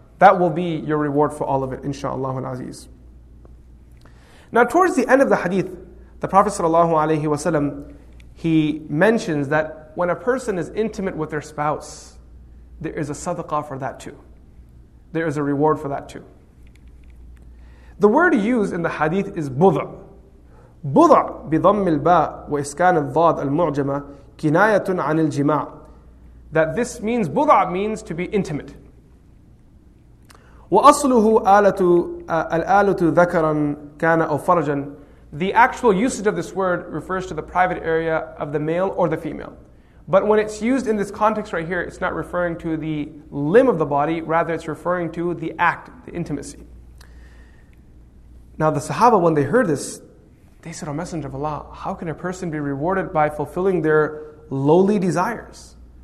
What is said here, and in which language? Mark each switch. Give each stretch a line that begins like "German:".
English: That will be your reward for all of it, inshallah al-aziz. Now towards the end of the hadith, the Prophet sallallahu alayhi wa sallam, he mentions that when a person is intimate with their spouse, there is a sadaqah for that too. There is a reward for that too. The word used in the hadith is budha.
Arabic: بضع بضم الباء وإسكان الضاد المعجمة كناية عن الجماع.
English: That this means, بضع means to be intimate.
Arabic: وأصله آلة الآلة ذكرا كان أو فرجا.
English: The actual usage of this word refers to the private area of the male or the female. But when it's used in this context right here, it's not referring to the limb of the body, rather it's referring to the act, the intimacy. Now the Sahaba, when they heard this, they said, "O Messenger of Allah, how can a person be rewarded by fulfilling their lowly desires?"